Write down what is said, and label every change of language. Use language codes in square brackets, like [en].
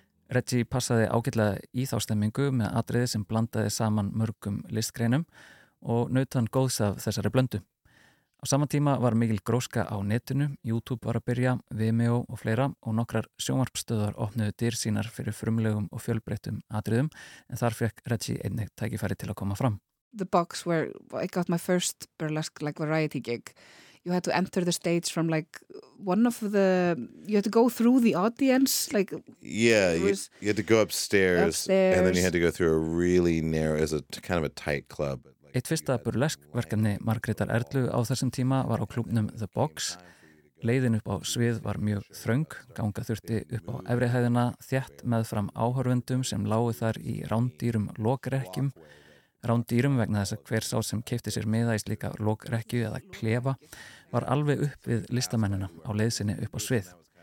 [is] Reggie passaði ágætlega í þá stemmingu með atriði sem blandaði saman mörgum listgreinum og naut hann góðs af þessari blöndu. Á sama tíma var mikil gróska á netinu, YouTube var að byrja, Vimeo og fleira og nokkrar sjónvarpstöðar opnuðu dyr sínar fyrir frumlegum og fjölbreyttum atriðum en þar fekk Reggie einnig tækifæri til að koma fram. [en] The box where I got my first burlesque like variety gig, you had to enter the stage from like one of the, you had to go through the audience. Like, yeah, you had to go upstairs and then you had to go through a really narrow, it was a kind of a tight club. [is] Eitt fyrsta burlesk verkefni Margrétar Erlu á þessum tíma var á klúbnum The Box. Leiðin upp á svið var mjög þröng, ganga þurfti upp á efri hæðina, þétt með fram áhorfundum sem lágu þar í rándýrum lokrekkjum. Rándýrum vegna þess að hver sá sem keypti sér miða í slíka lokrekkju eða klefa var alveg upp við listamennina á leiðsinni upp á svið.